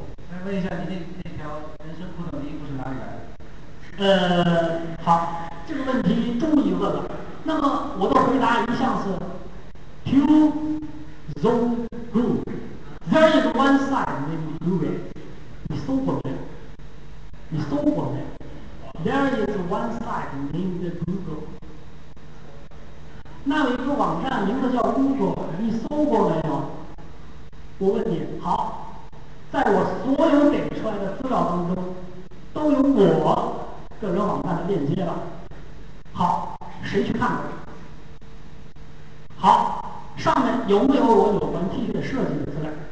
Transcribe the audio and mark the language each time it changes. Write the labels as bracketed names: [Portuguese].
[Chinese] 那问一下，你那条人生不等于不是哪里来的？好，这个问题终于问了。那么我的回答一向是 [English] two zone rule。 There is one side named Google。 [Chinese] 你搜过没有？你搜过没有？ [English] There is one side named Google。 [Chinese] 那有一个网站名字叫 Google， 你搜过没有？我问你，好，在我所有给出来的资料当中，都有我个人网站的链接了。好，谁去看过？好，上面有没有我有关 T 恤设计的资料？